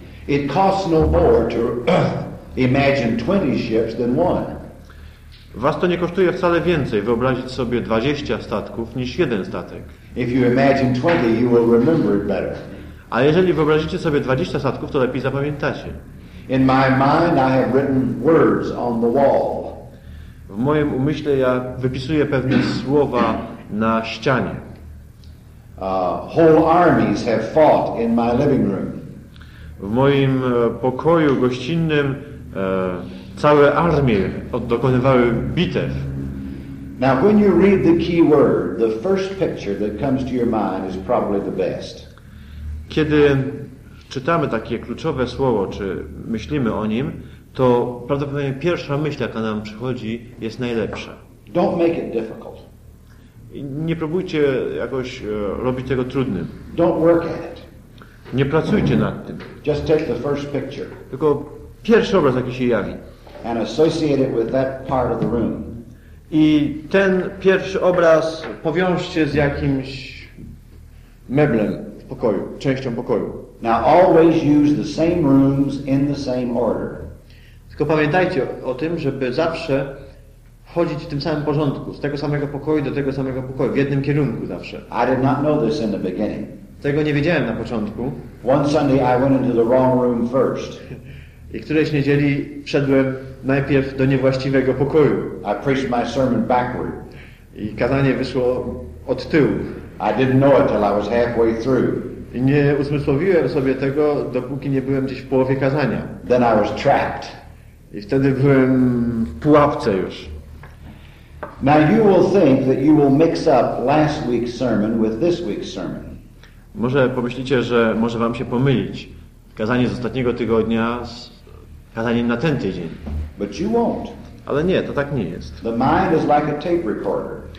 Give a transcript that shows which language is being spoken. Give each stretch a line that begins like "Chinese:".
English: It costs no more to imagine 20 ships than one.
Polish: Was to nie kosztuje wcale więcej wyobrazić sobie 20 statków niż jeden statek.
English: If you imagine 20, you will remember it better.
Polish: A jeżeli wyobrazicie sobie 20 statków, to lepiej zapamiętacie.
English: In my mind I have written words on the wall.
Polish: W moim umyśle ja wypisuję pewne słowa na ścianie.
English: Whole armies have fought in my living room.
Polish: W moim pokoju gościnnym całe armie dokonywały bitew.
English: Now when you read the key word, the first picture that comes to your mind is probably the best.
Polish: Kiedy czytamy takie kluczowe słowo, czy myślimy o nim, to prawdopodobnie pierwsza myśl, jaka nam przychodzi, jest najlepsza.
English: Don't make it difficult.
Polish: Nie próbujcie jakoś robić tego trudnym.
English: Don't work at it.
Polish: Nie pracujcie nad tym.
English: Just take the first picture.
Polish: Tylko pierwszy obraz, jaki się jawi.
English: And associate it with that part of the room.
Polish: I ten pierwszy obraz powiążcie z jakimś meblem w pokoju, częścią pokoju.
English: Now always use the same rooms in the same order.
Polish: Tylko pamiętajcie o tym, żeby zawsze chodzić w tym samym porządku, z tego samego pokoju do tego samego pokoju, w jednym kierunku zawsze.
English: I did not know this in the beginning.
Polish: Tego nie wiedziałem na początku.
English: One Sunday I went into the wrong room first.
Polish: I którejś niedzieli wszedłem najpierw do niewłaściwego pokoju.
English: I preached my sermon backward.
Polish: I kazanie wyszło od tyłu.
English: I didn't know it till I was halfway through.
Polish: I nie uzmysłowiłem sobie tego, dopóki nie byłem gdzieś w połowie kazania.
English: Then I was trapped.
Polish: I wtedy byłem w pułapce już.
English: Now you will think that you will mix up last week's sermon with this week's sermon.
Polish: Może pomyślicie, że może wam się pomylić. Kazanie z ostatniego tygodnia z kazaniem na ten tydzień.
English: But you won't.
Polish: Ale nie, to tak nie jest.
English: The mind is like a tape recorder.